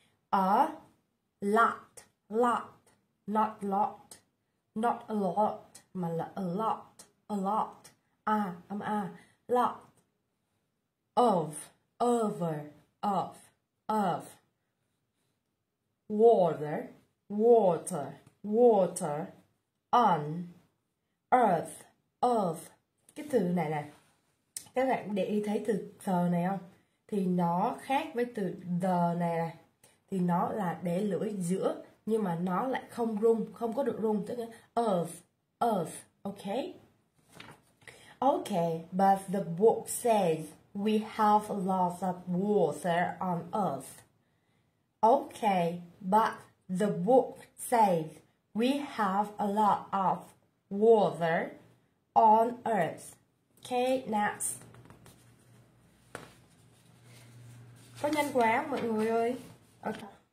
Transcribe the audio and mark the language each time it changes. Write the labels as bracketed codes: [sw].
[en] a lot, lot, not a lot [vi] mà là [en] a lot a âm a lot of over of water on earth earth. [vi] Cái từ này này các bạn để ý thấy từ the này không, thì nó khác với từ the này này, thì nó là để lưỡi giữa nhưng mà nó lại không rung, không có được rung, tức là earth. [en] Okay, but the book says we have a lot of water on earth. Okay, but the book says we have a lot of water on earth. Okay, next. [vi] Có nhanh quá mọi người ơi. Okay.